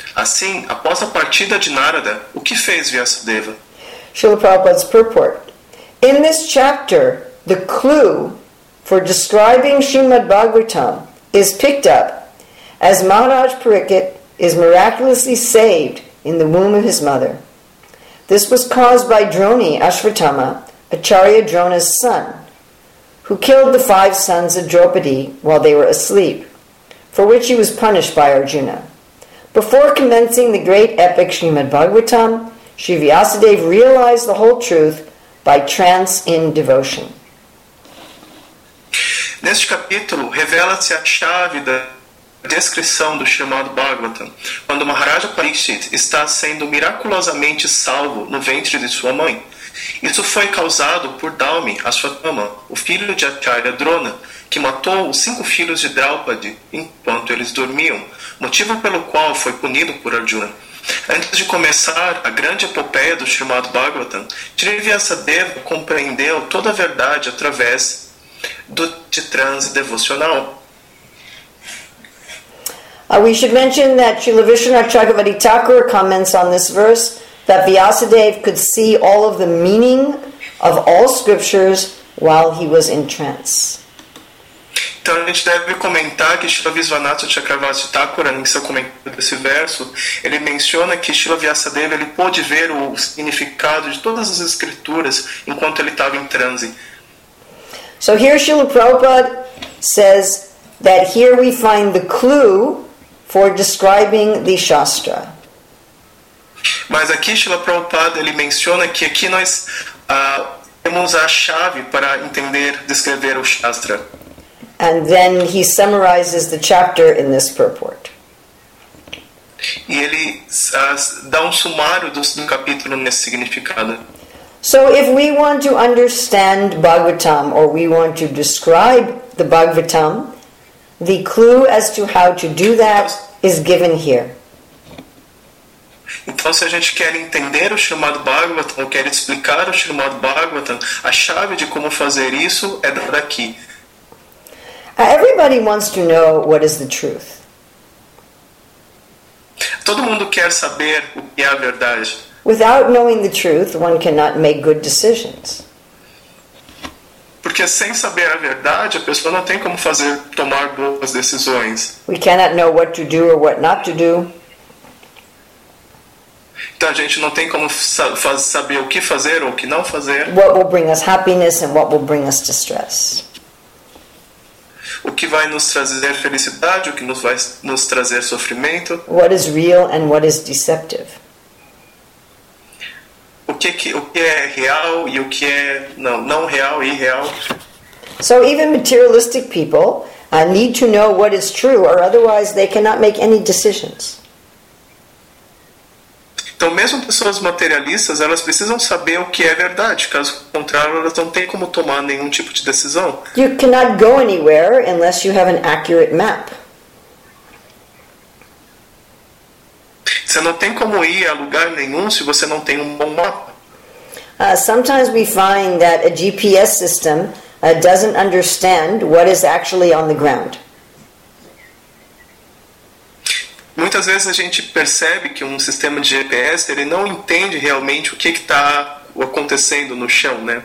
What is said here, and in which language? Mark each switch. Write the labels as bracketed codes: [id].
[pt] Assim, após a partida de Narada, o que fez Vyasadeva? [en] Srila Prabhupada's purport. In this chapter, the clue for describing Srimad Bhagavatam is picked up as Maharaj Parikit is miraculously saved in the womb of his mother. This was caused by Droni Ashvatthama, Acharya Drona's son, who killed the five sons of Draupadi while they were asleep, for which he was punished by Arjuna. Before commencing the great epic Srimad Bhagavatam, Sri Vyasadeva realized the whole truth by trance in devotion. [pt] Neste capítulo, revela-se a chave da descrição do chamado Bhagavatam, quando Maharaja Parikshit está sendo miraculosamente salvo no ventre de sua mãe. Isso foi causado por Dalmi Ashvatthama, o filho de Acharya Drona, que matou os 5 filhos de Draupadi enquanto eles dormiam, motivo pelo qual foi punido por Arjuna. Antes de começar a grande epopeia do Srimad Bhagavatam, Trivyasadeva compreendeu toda a verdade através de transe devocional. [en] We should mention that Srila Vishnu Chakravarti Thakur comments on this verse that Vyasadeva could see all of the meaning of all scriptures while he was in trance. [pt] Então a gente deve comentar que Srila Viswanatha Chakravarti Thakura, em seu comentário desse verso, ele menciona que Srila Vyasadeva ele pôde ver o significado de todas as escrituras enquanto ele estava em transe. [en] So here Srila Prabhupada says that here we find the clue for describing the Shastra. [pt] Mas aqui Srila Prabhupada ele menciona que aqui nós temos a chave para entender, descrever o Shastra. [en] And then he summarizes the chapter in this purport. [pt] E ele dá sumário do capítulo nesse significado. [en] So if we want to understand Bhagavatam, or we want to describe the Bhagavatam, the clue as to how to do that is given here. [pt] Então, se a gente quer entender o chamado Bhagavatam, ou quer explicar o chamado Bhagavatam, a chave de como fazer isso é dada aqui. [en] Everybody wants to know what is the truth. [pt] Todo mundo quer saber o que é a verdade. [en] Without knowing the truth, one cannot make good decisions. [pt] Porque sem saber a verdade, a pessoa não tem como fazer tomar boas decisões. [en] We cannot know what to do or what not to do. [pt] Então a gente não tem como saber o que fazer ou o que não fazer. [en] What will bring us happiness and what will bring us distress. [pt] O que vai nos trazer felicidade, o que nos vai nos trazer sofrimento. [en] What is real and what is deceptive. [pt] O que é real e o que é não real e irreal. [en] So even materialistic people need to know what is true or otherwise they cannot make any decisions. [pt] Então mesmo pessoas materialistas, elas precisam saber o que é verdade, caso contrário elas não têm como tomar nenhum tipo de decisão. [en] You cannot go anywhere unless you have an accurate map. [pt] Você não tem como ir a lugar nenhum se você não tem um bom mapa. [en] Sometimes we find that a GPS system doesn't understand what is actually on the ground. [pt] Muitas vezes a gente percebe que um sistema de GPS ele não entende realmente o que está acontecendo no chão, né?